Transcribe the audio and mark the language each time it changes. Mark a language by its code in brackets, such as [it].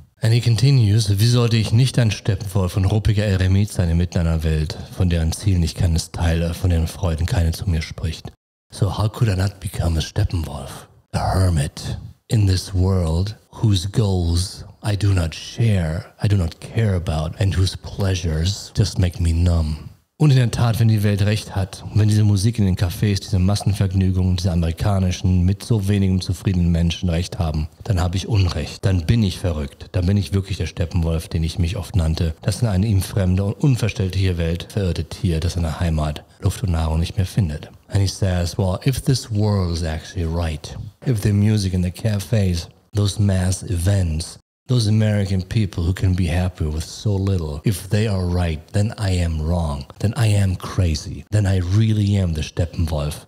[en] And he continues, [de] wie sollte ich nicht ein Steppenwolf und ruppiger Eremit sein inmitten einer Welt, von deren Zielen ich keines teile, von deren Freuden keine zu mir spricht? [en] So how could I not become a Steppenwolf, a hermit, in this world whose goals I do not share, I do not care about, and whose pleasures just make me numb? [de] Und in der Tat, wenn die Welt recht hat, wenn diese Musik in den Cafés, diese Massenvergnügungen, diese amerikanischen, mit so wenigen zufriedenen Menschen recht haben, dann habe ich Unrecht. Dann bin ich verrückt. Dann bin ich wirklich der Steppenwolf, den ich mich oft nannte. Das in eine ihm fremde und unverständliche Welt verirrte Tier, das seine Heimat, Luft und Nahrung nicht mehr findet. [en] And he says, well, if this world is actually right, if the music in the cafes, those mass events, those American people who can be happy with so little, if they are right, then I am wrong. Then I am crazy. Then I really am the Steppenwolf.